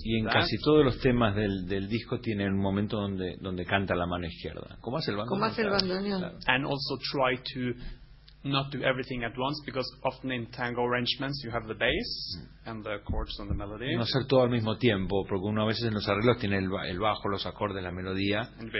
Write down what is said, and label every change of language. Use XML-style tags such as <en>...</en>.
<es>Y en casi todos los temas del disco tiene un momento donde canta la mano izquierda. ¿Cómo hace el bandoneón? ¿Cómo hace el bandoneón?</es> <en>And also try to not do everything at once, because often in tango arrangements you have the bass and the chords on the melody.</en> <es>No hacer todo al mismo tiempo, porque uno a veces en los arreglos tiene el bajo, los acordes, la melodía.</es>